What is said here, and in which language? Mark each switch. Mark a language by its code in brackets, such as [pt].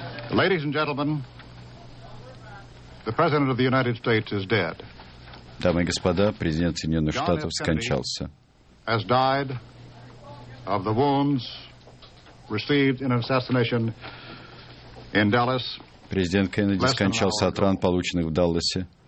[en] Ladies and gentlemen, the President of the United States is dead. [ru] Дамы и господа, президент Соединенных Штатов скончался. [en] Has died of the wounds received in an assassination in Dallas [ru] Президент Кеннеди скончался от ран, полученных в Далласе.